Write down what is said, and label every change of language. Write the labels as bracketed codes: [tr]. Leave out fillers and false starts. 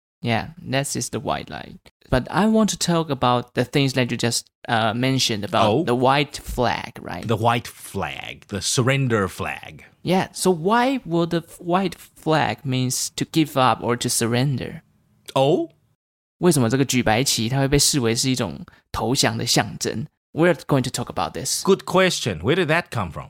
[en] Yeah, that's just the white lie. But I want to talk about the things that you just mentioned about the white flag, right? The white flag, the surrender flag. Yeah, so why would the white flag means to give up or to surrender? Oh? [zh] 为什么这个举白旗它会被视为是一种投降的象征? [en] We're going to talk about this. Good question. Where did that come from?